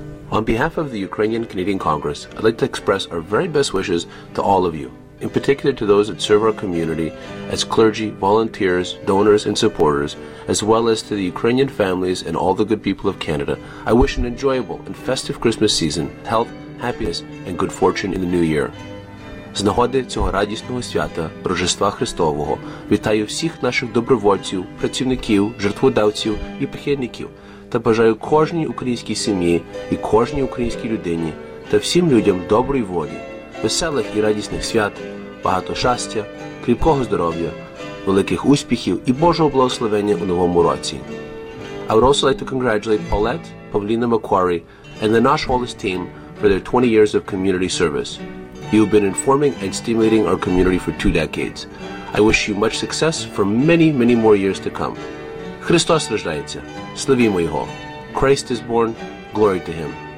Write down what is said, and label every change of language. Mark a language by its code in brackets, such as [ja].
[en] On behalf of the Ukrainian Canadian Congress, I'd like to express our very best wishes to all of you, in particular to those that serve our community as clergy, volunteers, donors, and supporters, as well as to the Ukrainian families and all the good people of Canada. I wish an enjoyable and festive Christmas season, health, happiness, and good fortune in the new year. [uk] З нагоди цього радісного свята, Рождества Христового, вітаю всіх наших добровольців, працівників, жертводавців і прихильників. Та бажаю кожній українській сім'ї і кожній українській людині та всім людям доброї волі, веселих і радісних свят, багато щастя, кріпкого здоров'я, великих успіхів і Божого благословення у новому році. [en] I would also like to congratulate Paulette, Pavlina Macquarie, and the Nash Wallace team for their 20 years of community service. You have been informing and stimulating our community for 2 decades. I wish you much success for many, many more years to come. [uk] Христос рождається. Славімо Його. [en] Christ is born. Glory to Him.